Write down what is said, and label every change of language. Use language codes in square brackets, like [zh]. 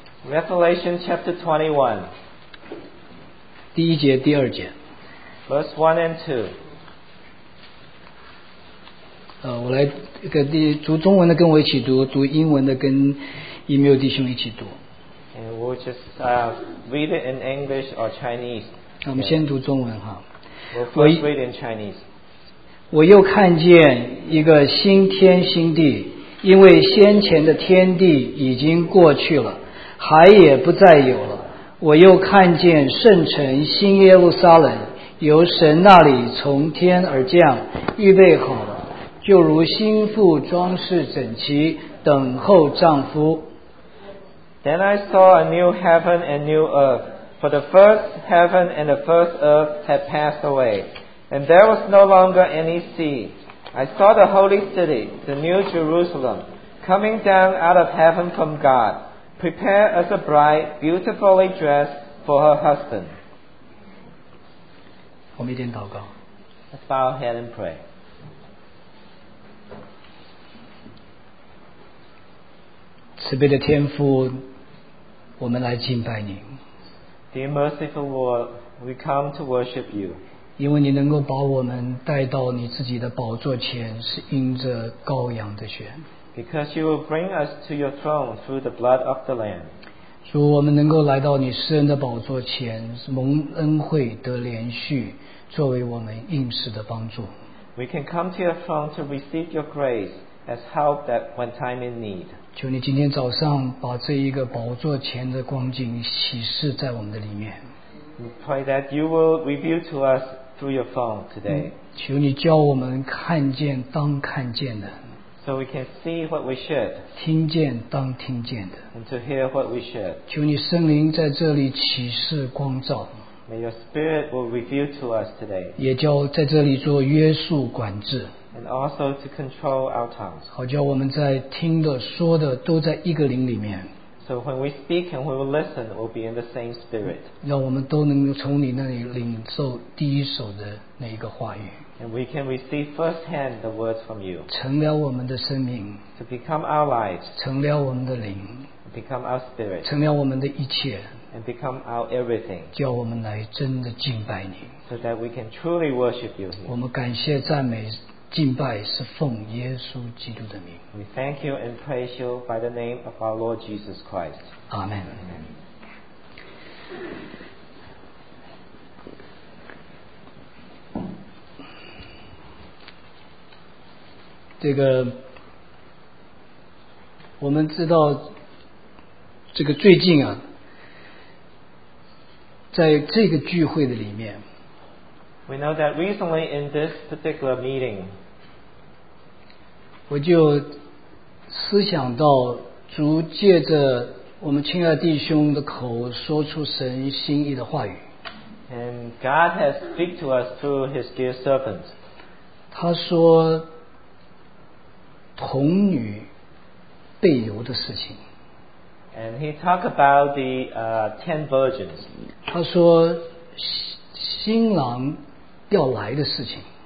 [en] Revelation chapter 21. [zh] 第一节第二节。 [en] Verse 1 and 2. [zh] 我来读中文的跟我一起读，读英文的跟一缪弟兄一起读。 [en] And we'll just read it in English or Chinese. [zh] 我们先读中文哈。 [en] We'll first read in Chinese. [zh] 我又看见一个新天新地，因为先前的天地已经过去了，海也不再有了。我又看见圣城新耶路撒冷由神那里从天而降，预备好了。就如新妇装饰整齐，等候丈夫。 [en] Then I saw a new heaven and new earth, for the first heaven and the first earth had passed away, and there was no longer any sea. I saw the holy city, the new Jerusalem, coming down out of heaven from God, prepared as a bride beautifully dressed for her husband. [zh] 我们一点祷告。 [en] Let's bow our head and pray. [zh] 慈悲的天父，我们来敬拜你。 [en] Dear merciful Lord, we come to worship you. [zh] 因为你能够把我们带到你自己的宝座前，是因着羔羊的血。 [en] Because you will bring us to your throne through the blood of the Lamb. [zh] 主，我们能够来到你施恩的宝座前，蒙恩惠得连续，作为我们应试的帮助。 [en] We can come to your throne to receive your grace as help that when time in need. [zh] 求你今天早上把这一个宝座前的光景启示在我们的里面。 [en] We pray that you will reveal to us through your phone today. [zh] 求你教我们看见当看见的。 [en] So we can see what we should. [zh] 听见当听见的。 [en] And to hear what we should. [zh] 求你圣灵在这里启示光照。 [en] May your spirit will reveal to us today. [zh] 也叫在这里做约束管制。 [en] And also to control our tongues. [zh] 好叫我们在听的说的都在一个灵里面。 [en] So when we speak and when we listen, we'll be in the same spirit. [zh] 让我们都能从你那里领受第一手的那一个话语。 [en] And we can receive firsthand the words from you. [zh] 成了我们的生命。 [en] To become our lives. [zh] 成了我们的灵。 [en] Become our spirit. [zh] 成了我们的一切。 [en] And become our everything. [zh] 叫我们来真的敬拜你。 [en] So that we can truly worship you. [zh] 我们感谢赞美。敬拜是奉耶稣基督的名。 [en] We thank you and praise you by the name of our Lord Jesus Christ. Amen. [zh] 这个我们知道，这个最近啊，在这个聚会的里面 [en] ，We know that recently in this particular meeting. [zh] 我就思想到主借着我们亲爱弟兄的口说出神心意的话语。 [en] And God has speak to us through his dear servant. [zh] 他说童女被流的事情。 [en] And he talk about the ten virgins. [zh] 他说新郎要来的事情。